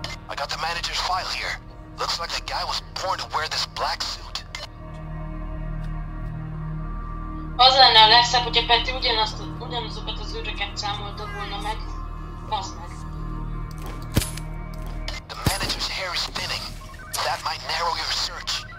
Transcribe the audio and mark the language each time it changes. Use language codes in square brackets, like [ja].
[en] I got the manager's file here. Looks like the guy was born to wear this black suit. [hu] Az lenne a legszebb, hogyha Peti ugyanazokat az üreket számolta volna meg. Baszd meg. [en] The manager's hair is spinning. That might narrow your search.